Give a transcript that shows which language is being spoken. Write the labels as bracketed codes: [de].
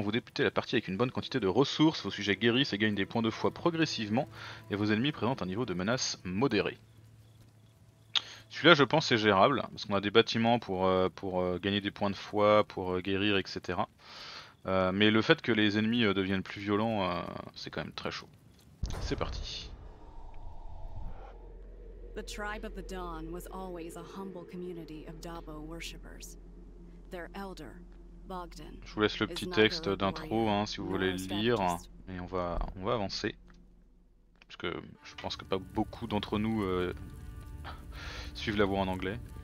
[fr] Vous débutez la partie avec une bonne quantité de ressources, vos sujets guérissent et gagnent des points de foi progressivement, et vos ennemis présentent un niveau de menace modéré. Celui-là, je pense, c'est gérable, parce qu'on a des bâtiments pour gagner des points de foi, pour guérir, etc. Mais le fait que les ennemis deviennent plus violents, c'est quand même très chaud. C'est parti. [en] The Tribe of the Dawn was always a humble community of Dabo worshippers. Their elder, Bogdan. [fr] Je vous laisse le petit texte d'intro hein, si vous voulez le lire, et on va avancer. Parce que je pense que pas beaucoup d'entre nous suivent la voix en anglais.